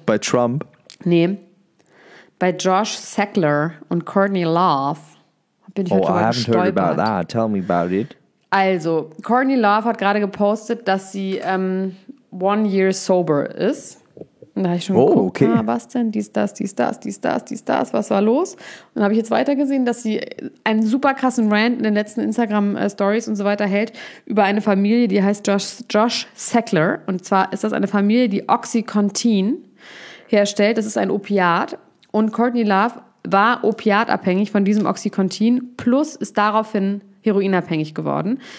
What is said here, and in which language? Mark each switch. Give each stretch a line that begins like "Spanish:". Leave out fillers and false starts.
German: Bei Trump? Nee. Bei Josh Sackler und Courtney Love. Bin ich heute
English: I haven't
German: gestolpert.
English: Heard about that. Tell me about it.
German: Also, Courtney Love hat gerade gepostet, dass sie
English: One Year Sober
German: ist. Und da habe ich schon geguckt, okay. Was denn, dies, das, was war los? Und habe ich jetzt weitergesehen, dass sie einen super krassen Rant in den letzten Instagram-Stories und so weiter hält über eine Familie, die heißt Josh Sackler. Und zwar ist das eine Familie, die Oxycontin herstellt. Das ist ein Opiat. Und Courtney Love war opiatabhängig von diesem Oxycontin plus ist daraufhin heroinabhängig geworden.